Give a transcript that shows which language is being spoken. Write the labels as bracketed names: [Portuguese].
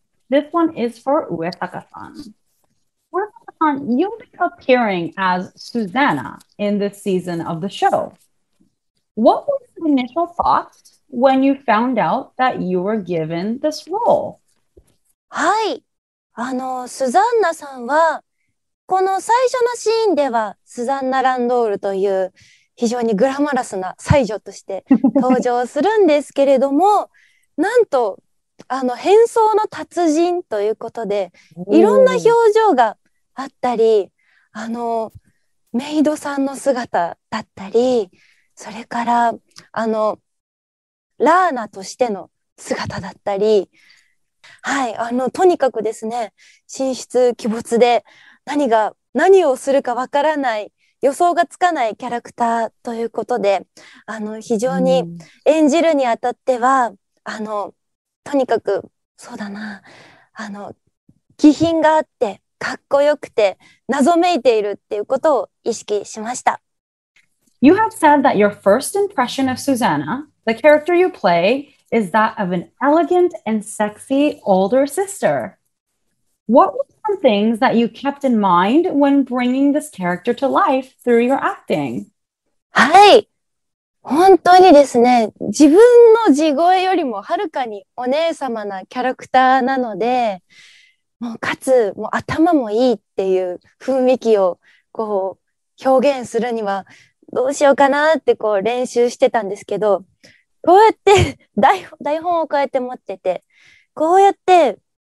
[English] This one is for Uesaka-san. Uesaka-san, you'll be appearing as Susanna in this season of the show. What were your initial thoughts when you found out that you were given this role? [Japanese] はい。スザンナさんは、この最初のシーンでは、スザンナ・ランドールという非常にグラマラスな才女として登場するんですけれども、なんと、変装の達人ということで、いろんな表情があったり、メイドさんの姿だったり、それから、ラーナとしての姿だったり、はい、とにかくですね、神出鬼没で、何をするかわからない、予想がつかないキャラクターということで、非常に演じるにあたっては、とにかく、そうだな、気品があって、かっこよくて、謎めいているっていうことを意識しました。 [English] You have said that your first impression of Susanna, the character you play, is that of an elegant and sexy older sister. What were some things that you kept in mind when bringing this character to life through your acting? [Japanese] はい。本当にですね、自分の地声よりもはるかにお姉様なキャラクターなので、もうかつもう頭もいいっていう雰囲気をこう表現するにはどうしようかなってこう練習してたんですけど、こうやって台本をこうやって持ってて、こうやって